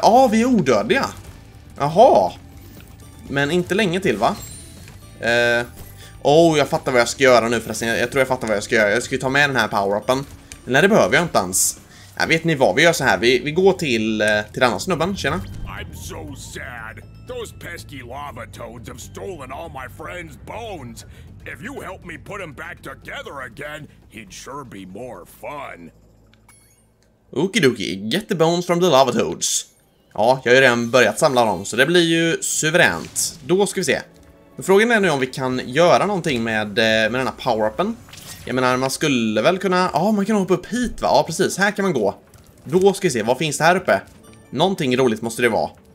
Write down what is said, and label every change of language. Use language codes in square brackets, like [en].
[sv] Ja, vi är odödliga. Jaha. Men inte länge till, va? Oh, jag fattar vad jag ska göra nu förresten. Jag tror jag fattar vad jag ska göra. Jag ska ju ta med den här power-upen. Nej, det behöver jag inte ens. Nej, vet ni vad? Vi gör så här. Vi går till den här snubben. Tjena. [en] I'm so sad. Those pesky lava toads have stolen all my friend's bones. If you help me put them back together again, it'd sure be more fun. Okie dokie, get the bones from the lava toads. [sv] Ja, jag har ju redan börjat samla dem, så det blir ju suveränt. Då ska vi se. Men frågan är nu om vi kan göra någonting med den här power-upen. Jag menar, man skulle väl kunna... Ja, man kan hoppa upp hit, va? Ja, precis. Här kan man gå. Då ska vi se, vad finns det här uppe? Någonting roligt måste det vara.